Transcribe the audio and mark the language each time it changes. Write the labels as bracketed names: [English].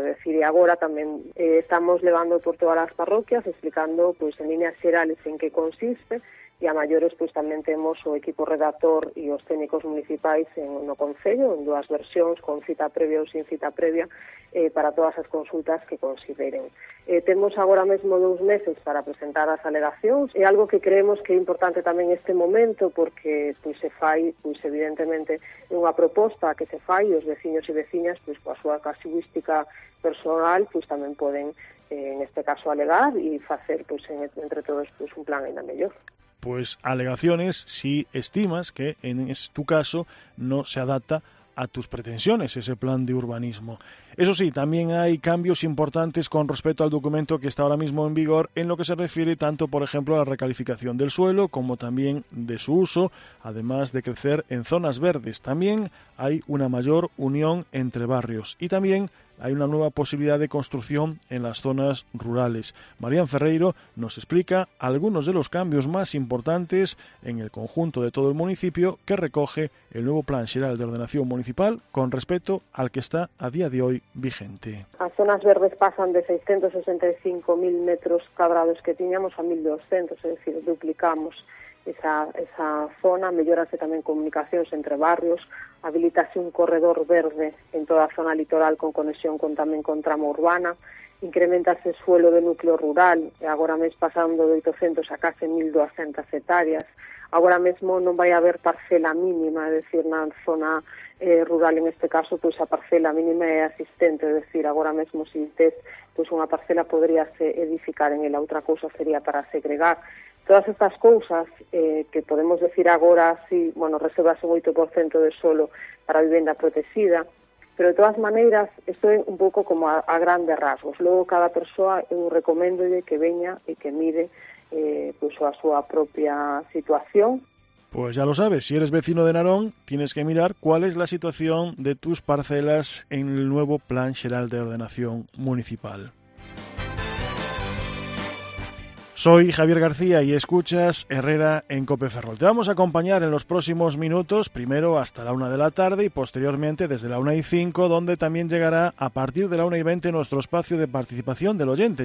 [Spanish] Es decir, y ahora también estamos levando por todas las parroquias, explicando pues en líneas generales en qué consiste. Y a mayores, pues también tenemos o equipo redactor y os técnicos municipales en uno concello, en dos versiones, con cita previa o sin cita previa, [Galician] para todas as consultas que consideren. Temos agora mesmo dous meses para presentar as alegacións. É algo que creemos que é importante tamén este momento porque pues, se fai, pues, evidentemente, unha proposta que se fai e os veciños e veciñas, pues, coa súa casuística personal, pues, tamén poden, en este caso, alegar e facer pues, entre todos pues, un plan ainda mellor. [Spanish] Pues alegaciones si estimas que en tu caso no se adapta a tus pretensiones ese plan de urbanismo. Eso sí, también hay cambios importantes con respecto al documento que está ahora mismo en vigor en lo que se refiere tanto, por ejemplo, a la recalificación del suelo como también de su uso, además de crecer en zonas verdes. También hay una mayor unión entre barrios y también hay una nueva posibilidad de construcción en las zonas rurales. Marian Ferreiro nos explica algunos de los cambios más importantes en el conjunto de todo el municipio que recoge el nuevo Plan General de Ordenación Municipal con respecto al que está a día de hoy vigente. Las zonas verdes pasan de 665.000 metros cuadrados que teníamos a 1.200, es decir, duplicamos esa zona, [Galician] mellorase tamén comunicacións entre barrios, habilitase un corredor verde en toda a zona litoral con conexión con tamén con tramo urbana, incrementase o suelo de núcleo rural, e agora mes pasando de 800 a case 1.200 hectáreas, agora mesmo non vai haber parcela mínima, é dicir, na zona rural en este caso, pois a parcela mínima é existente, é dicir, agora mesmo se tes pois unha parcela poderíase edificar en ela, outra cousa sería para segregar. Todas estas cousas que podemos decir agora, si, bueno, reservase un 8% de solo para vivenda protegida, pero de todas maneiras, isto é un pouco como a grandes rasgos. Logo, cada persoa, eu recomendo que veña e que mire pues, a súa propia situación. [Spanish] Pues ya lo sabes, si eres vecino de Narón, tienes que mirar cuál es la situación de tus parcelas en el nuevo Plan General de Ordenación Municipal. Soy Javier García y escuchas Herrera en COPE Ferrol. Te vamos a acompañar en los próximos minutos, primero hasta la 1 de la tarde y posteriormente desde la 1:05, donde también llegará a partir de la 1:20 nuestro espacio de participación del oyente.